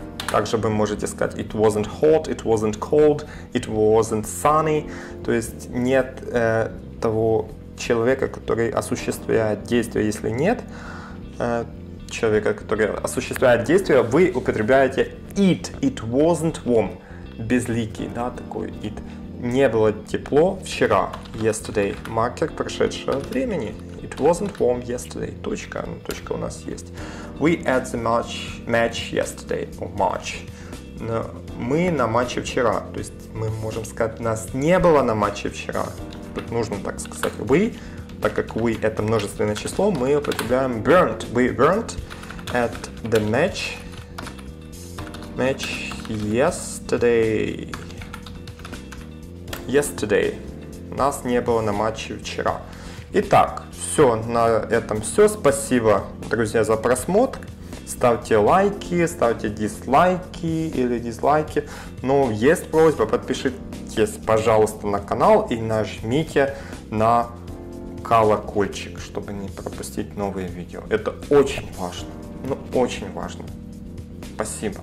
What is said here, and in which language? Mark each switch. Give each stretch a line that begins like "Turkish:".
Russian: Также вы можете сказать
English: it wasn't hot, it wasn't cold, it wasn't sunny.
Russian: То есть нет того человека, который осуществляет действие. Если нет человека, который осуществляет действие, вы употребляете it.
English: It wasn't warm.
Russian: Безликий, да, такой it. Не было тепло вчера.
English: Yesterday.
Russian: Маркер прошедшего времени.
English: It wasn't warm yesterday.
Russian: Точка. Точка у нас есть.
English: We at the match yesterday. Or match.
Russian: Но мы на матче вчера. То есть мы можем сказать, нас не было на матче вчера. Тут нужно так сказать. We, так как we это множественное число, мы употребляем weren't.
English: We weren't at the match yesterday. Yesterday.
Russian: Нас не было на матче вчера. Итак, все, на этом все. Спасибо, друзья, за просмотр. Ставьте лайки, ставьте дизлайки или дизлайки. Но есть просьба, подпишитесь, пожалуйста, на канал и нажмите на колокольчик, чтобы не пропустить новые видео. Это очень важно. Спасибо.